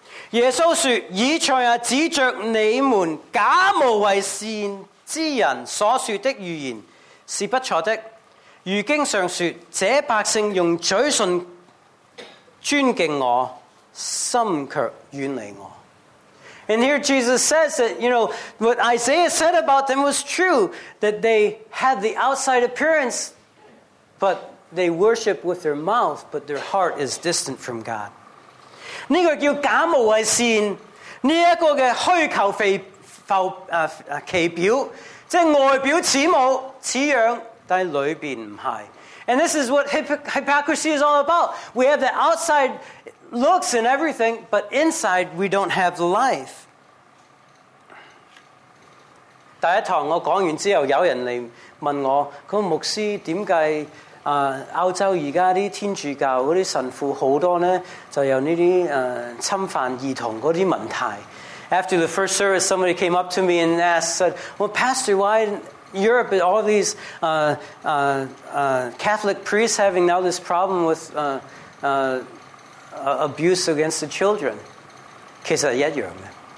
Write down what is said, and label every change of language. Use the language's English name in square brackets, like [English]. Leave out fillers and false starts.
[Cantonese] 耶稣说，以赛亚指着你们假冒为善之人所说的预言是不错的。如经上说，这百姓用嘴唇尊敬我，心却远离我。 [English] And here Jesus says that, you know, what Isaiah said about them was true, that they had the outside appearance, but they worship with their mouth, but their heart is distant from God. [Cantonese] 这个叫假冒为善，这个嘅虚求浮其表，即系外表似模似样。 [English] And this is what hypocrisy is all about. We have the outside looks and everything, but inside we don't have the life. [Cantonese] 第一堂我讲完之后，有人嚟问我：，佢牧师点解澳洲而家啲天主教嗰啲神父好多呢？就有呢啲侵犯儿童嗰啲问题。 [English] After the first service, somebody came up to me and said, "Well, Pastor, why in Europe all these Catholic priests having now this problem with abuse against the children?" [Cantonese] 其實一樣嘅。